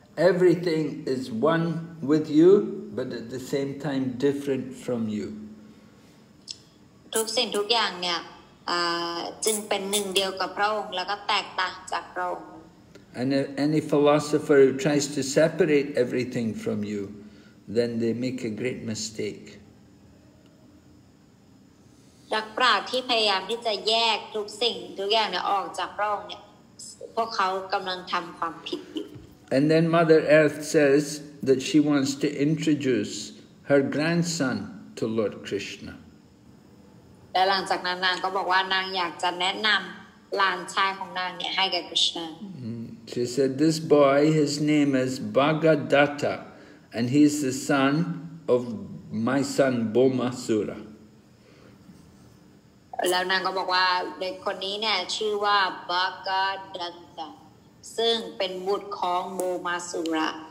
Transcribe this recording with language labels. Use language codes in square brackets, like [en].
[en] Everything is one with you, but at the same time different from you. [th] ทุกสิ่งทุกอย่างเนี่ยจึงเป็นหนึ่งเดียวกับพระองค์แล้วก็แตกต่างจากพระองค์ [en] And if any philosopher who tries to separate everything from you, then they make a great mistake. [th] นักปราชญ์ที่พยายามที่จะแยกทุกสิ่งทุกอย่างเนี่ยออกจากพระองค์เนี่ยพวกเขากำลังทำความผิดอยู่ [en] And then Mother Earth says that she wants to introduce her grandson to Lord Krishna. [th] และหลังจากนั้นนางก็บอกว่านางอยากจะแนะนำหลานชายของนางเนี่ยให้กับ Krishna. [en] She said, "This boy, his name is Bhagadatta, and he is the son of my son Bhaumasura." [th] แล้วนางก็บอกว่าเด็กคนนี้เนี่ยชื่อว่าบากาดันตะซึ่งเป็นบุตรของโบมาสุระ